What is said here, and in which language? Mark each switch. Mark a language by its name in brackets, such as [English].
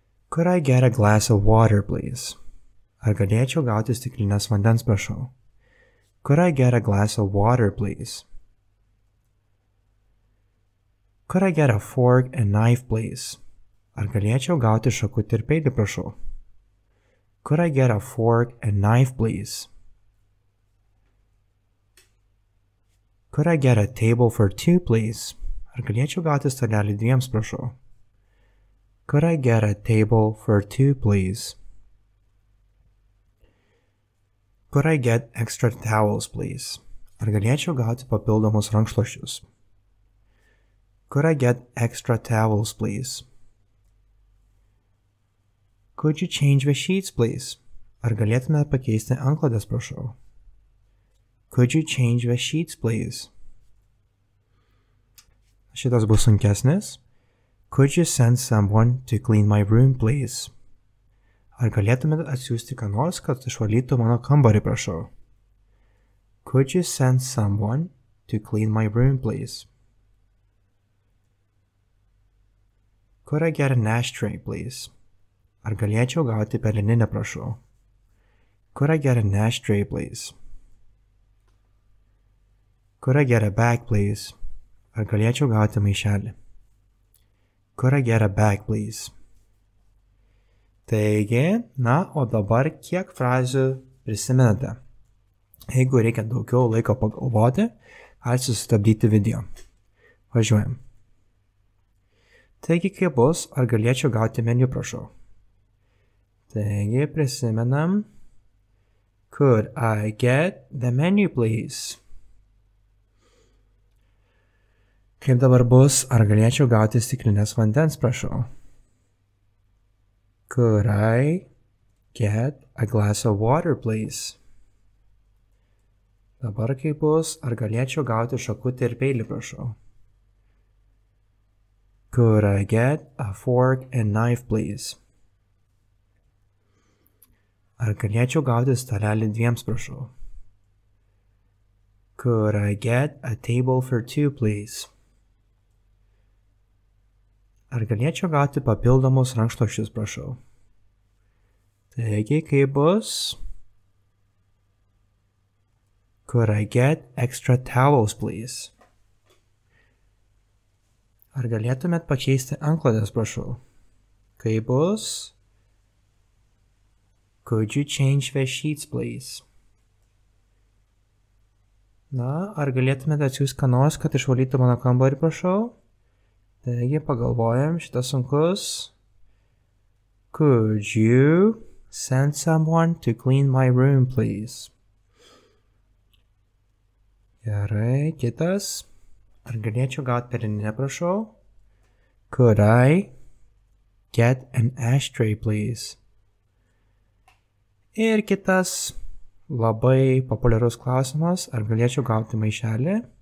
[English] Could I get a glass of water, please? [Lithuanian] Ar galėčiau gauti stiklinės vandens, prašau? [English] Could I get a glass of water, please? Could I get a fork and knife, please? [Lithuanian] Ar galėčiau gauti šakutį ir peilį, prašau? [English] Could I get a fork and knife, please? Could I get a table for two, please? [Lithuanian] Ar galėčiau gauti stalelį dviems, prašau? [English] Could I get a table for two, please? Could I get extra towels, please? [Lithuanian] Ar galėčiau gauti papildomus rankšluosčius? [English] Could I get extra towels, please? Could you change the sheets, please? [Lithuanian] Ar galėtumėte pakeisti antklodes, prašau? [English] Could you change the sheets, please? [Lithuanian] Šitas bus sunkesnis. [English] Could you send someone to clean my room, please? [Lithuanian] Ar galėtumėte atsiųsti ką nors, kad išvalytų mano kambarį, prašau? [English] Could you send someone to clean my room, please? Could I get an ashtray, please? [Lithuanian] Ar galėčiau gauti peleninę, prašau? [English] Could I get an ashtray, please? Could I get a bag, please? [Lithuanian] Ar galėčiau gauti maišelį? [English] Could I get a bag, please? [Lithuanian] Taigi, na, o dabar kiek frazių prisimenate? Jeigu reikia daugiau laiko pagalvoti, ar sustabdyti video. Važiuojam. Taigi, kaip bus, ar galėčiau gauti meniu, prašau? Taigi, prisimenam. [English] Could I get the menu, please? [Lithuanian] Kaip dabar bus, ar galėčiau gauti stiklinės vandens, prašau? [English] Could I get a glass of water, please? [Lithuanian] Dabar kaip bus, ar galėčiau gauti šakutį ir peilį, prašau? [English] Could I get a fork and knife, please? [Lithuanian] Ar galėčiau gauti stalelį dviems, prašau? [English] Could I get a table for two, please? [Lithuanian] Ar galėčiau gauti papildomus rankšluosčius, prašau? Taigi, kaip bus? [English] Could I get extra towels, please? [Lithuanian] Ar galėtumėt pakeisti antklodes, prašau? Kaip bus? [English] Could you change the sheets, please? [Lithuanian] Na, ar galėtumėte atsiųsti ką nors, kad išvalytų mano kambarį, prašau? Taigi, pagalvojam, šitas sunkus. [English] Could you send someone to clean my room, please? [Lithuanian] Gerai, kitas. Ar galėčiau gauti peleninę, prašau? [English] Could I get an ashtray, please? [Lithuanian] Ir kitas labai populiarus klausimas, ar galėčiau gauti maišelį?